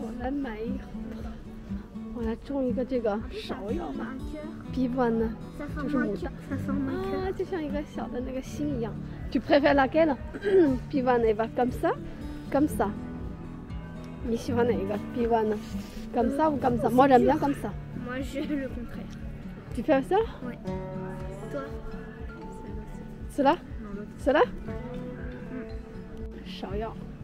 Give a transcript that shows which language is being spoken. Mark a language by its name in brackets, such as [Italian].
[Chinese] 我来买一盒，我来种一个这个芍药吧。 [French] Pivoine， [Chinese] 就是牡丹。啊，就像一个小的那个心一样。 [French] Tu préfères laquelle？ Pivoine va comme ça， comme ça。 [Chinese] 你喜欢哪一个 [French] ？Pivoine， comme ça ou comme ça？ Moi j'aime bien comme ça。 Moi je le contraire。 Tu préfères ça？ Oui。 Toi？ Cela？ [Chinese] 是的，芍药。